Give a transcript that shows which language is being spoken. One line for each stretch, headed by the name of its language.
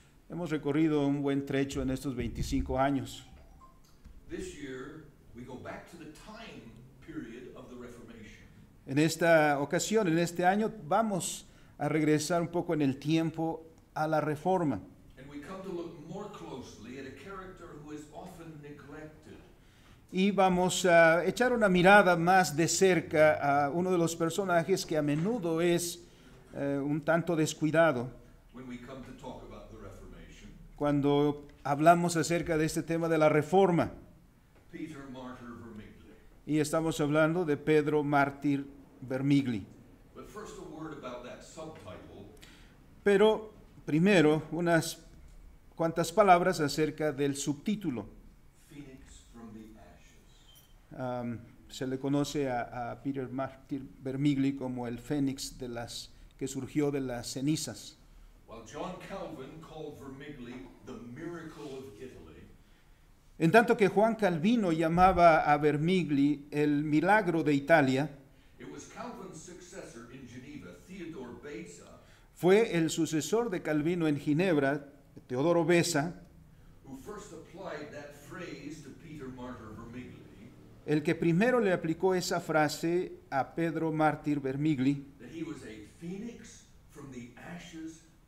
Spanish: Hemos recorrido un buen trecho en estos 25 años.
English: This year, we go back to the time period of the Reformation.
Spanish: En esta ocasión, en este año, vamos a regresar un poco en el tiempo a la Reforma.
English: And we come to look more closely at a character who is often neglected.
Spanish: Y vamos a echar una mirada más de cerca a uno de los personajes que a menudo es un tanto descuidado.
English: When we come to talk about
Spanish: cuando hablamos acerca de este tema de la Reforma.
English: Peter Martyr Vermigli.
Spanish: Y estamos hablando de Pedro Mártir Vermigli.
English: But first a word about that subtitle.
Spanish: Pero primero, unas cuantas palabras acerca del subtítulo.
English: Phoenix from the Ashes.
Spanish: Se le conoce a Peter Mártir Vermigli como el Fénix de las que surgió de las cenizas.
English: While John Calvin called Vermigli the miracle of Italy,
Spanish: en tanto que Juan Calvino llamaba a Vermigli el milagro de Italia,
English: it was Calvin's successor in Geneva, Theodore Beza,
Spanish: fue el sucesor de Calvino en Ginebra, Teodoro Beza,
English: who first applied that phrase to Peter Martyr Vermigli,
Spanish: el que primero le aplicó esa frase a Pedro Mártir Vermigli,
English: that he was a phoenix from the ashes